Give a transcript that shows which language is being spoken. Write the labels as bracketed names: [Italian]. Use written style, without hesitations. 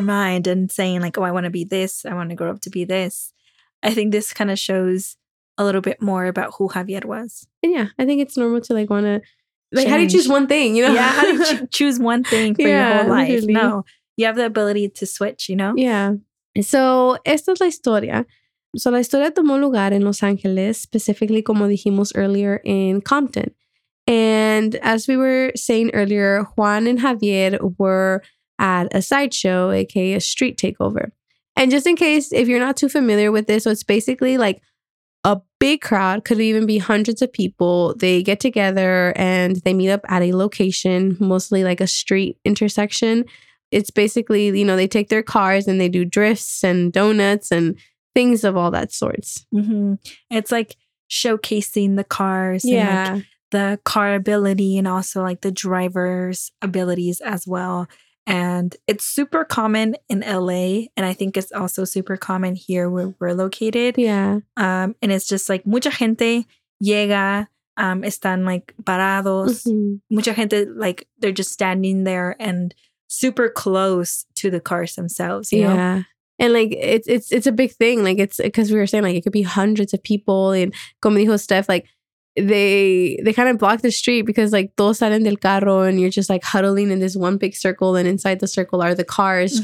[English] their mind and saying like, oh, I want to be this. I want to grow up to be this. I think this kind of shows a little bit more about who Javier was. And yeah, I think it's normal to like want to change. How do you choose one thing, you know? Yeah, how do you choose one thing for your whole life? Literally. No, you have the ability to switch, you know? [Spanish] Yeah. So, esta es la historia. So, la historia tomó lugar en Los Angeles, specifically, como dijimos earlier, in Compton. [English] And as we were saying earlier, Juan and Javier were at a sideshow, aka a street takeover. And just in case, if you're not too familiar with this, so it's basically like a big crowd, could even be hundreds of people. They get together and they meet up at a location, mostly like a street intersection. It's basically, you know, they take their cars and they do drifts and donuts and things of all that sorts. Mm-hmm. It's like showcasing the cars. Yeah. And like the car ability and also like the driver's abilities as well. And it's super common in LA. And I think it's also super common here where we're located. Yeah. And it's just like [Spanish] mucha gente llega, están [English] like parados. Mm-hmm. [Spanish] Mucha gente, [English] like they're just standing there and super close to the cars themselves. You know? And like it's a big thing. Like it's because we were saying like it could be hundreds of people and [Spanish] como dijo Steph, [English] like they kind of block the street because like [Spanish] todos salen del carro [English] and you're just like huddling in this one big circle and inside the circle are the cars mm-hmm.